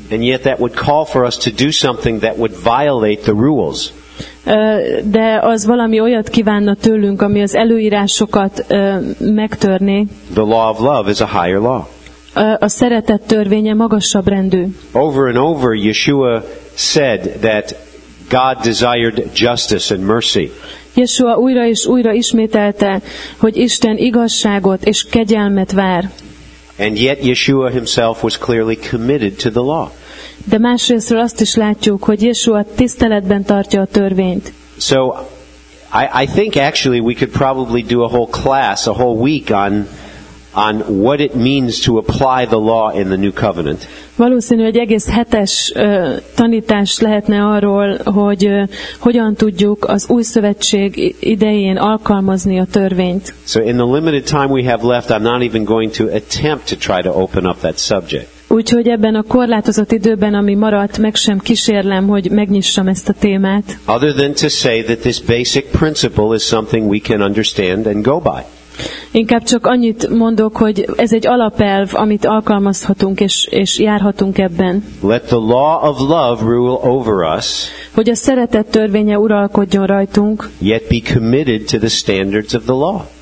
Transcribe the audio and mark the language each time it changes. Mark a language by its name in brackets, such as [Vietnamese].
[English] And yet that would call for us to do something that would violate the rules. [Hungarian] De az valami olyat kívánna tőlünk, ami az előírásokat megtörné. [English] The law of love is a higher law. [Hungarian] a szeretet törvénye magasabb rendű. [English] Over and over Yeshua said that God desired justice and mercy. [Hungarian] Yeshua újra és újra ismételte, hogy Isten igazságot és kegyelmet vár. [English] And yet Yeshua himself was clearly committed to the law. [Hungarian] De másrésztről azt is látjuk, hogy Yeshua tiszteletben tartja a törvényt. [English] So I think actually we could probably do a whole class, a whole week on what it means to apply the law in the new covenant. [Hungarian] Valószínű, egy egész hetes tanítás lehetne arról, hogy hogyan tudjuk az új szövetség idején alkalmazni a törvényt. [English] So in the limited time we have left, I'm not even going to attempt to try to open up that subject. [Hungarian] Úgyhogy ebben a korlátozott időben, ami maradt, meg sem kísérlem, hogy megnyissam ezt a témát. [English] Other than to say that this basic principle is something we can understand and go by. [Hungarian] Inkább csak annyit mondok, hogy ez egy alapelv, amit alkalmazhatunk és járhatunk ebben. [English] Let the law of love rule over us. [Hungarian] Hogy a szeretet törvénye uralkodjon rajtunk. [English] Yet be committed to the standards of the law.